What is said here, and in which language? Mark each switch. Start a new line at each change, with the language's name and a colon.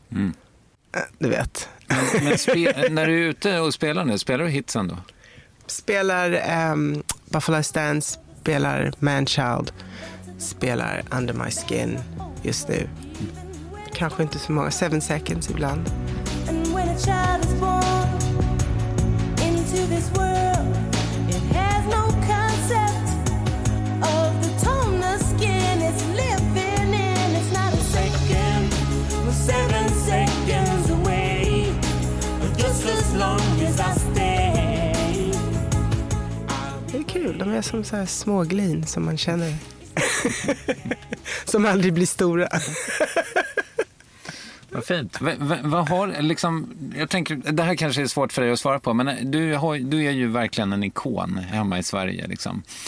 Swedish: Mm. Du vet. När du är ute och spelar nu, spelar du hitsen då? Spelar Buffalo Stance, spelar Manchild, spelar Under My Skin just nu. Mm. Kanske inte så många, 7 Seconds ibland.
English: And when a child is born into this world, it has no concept of the toner skin it's living in. It's not a second, or 7 seconds away, but just as long as I stay.
Swedish: De är som så här små glin som man känner. Som aldrig blir stora. Vad fint. Vad har liksom, jag tänker, det här kanske är svårt för dig att svara på, men du är ju verkligen en ikon hemma i Sverige liksom.